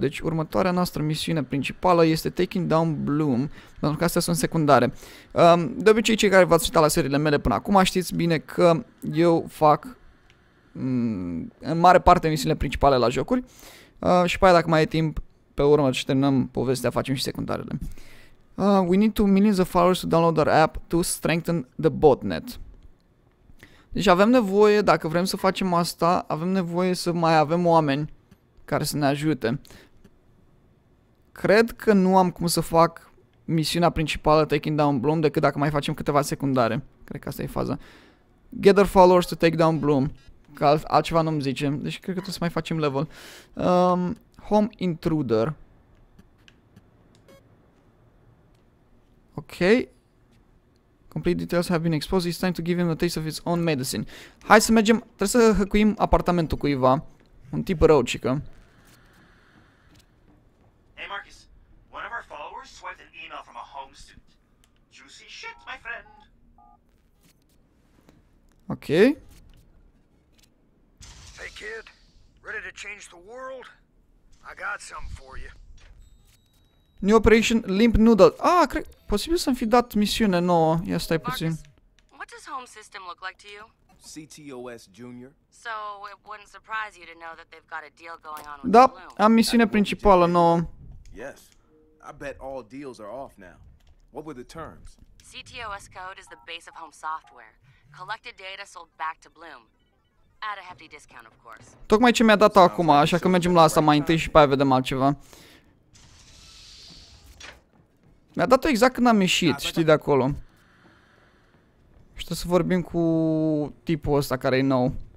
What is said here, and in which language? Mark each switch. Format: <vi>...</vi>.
<ro>Deci următoarea noastră misiune principală este Taking Down Bloom. Pentru că astea sunt secundare. De obicei, cei care v-ați uitat la seriile mele până acum știți bine că eu fac în mare parte misiunile principale la jocuri. Și pe aia, dacă mai e timp, pe urmă și terminăm povestea, facem și secundarele.</ro> <en>We need to millions of followers to download our app to strengthen the botnet.</en> <ro>Deci avem nevoie, dacă vrem să facem asta, avem nevoie să mai avem oameni care să ne ajute. Cred că nu am cum să fac misiunea principală Taking Down Bloom decât dacă mai facem câteva secundare. Cred că asta e faza.</ro> <en>Gather followers to take down Bloom.</en> <ro>Că altceva nu-mi zice. Deci cred că trebuie să mai facem level.</ro> <en>Home Intruder. Ok. Complete details have been exposed. It's time to give him a taste of his own medicine.</en> <ro>Hai să mergem. Trebuie să hăcuim apartamentul cuiva. Un tip rău, cică.</ro> <en>Hey Marcus, one of our followers swiped an email from a home suit. Juicy shit, my friend. Ok. Hey kid, ready to change the world? I got something for you. New operation Limp Noodle. Ah, cred...</en> <ro>Posibil să-mi fi dat misiune nouă. Ia stai puțin.</ro> <en>Marcus, what does home system look like to you? CTOS Junior. So, it wouldn't surprise you to know that they've got a deal going on with Bloom.</en> <ro>Da, am misiune principală nouă.</ro> <en>Yes. I bet all deals are off now. What were the terms? CTOS code is the base of home software. Collected data sold back to Bloom. At a hefty discount, of course.</en> <ro>Tocmai ce mi-a dat acum, așa că mergem la asta mai întâi și pe aia vedem altceva. Mi-a dat-o exact când am ieșit, știi, de acolo. Și trebuie să vorbim cu tipul ăsta care e nou.</ro>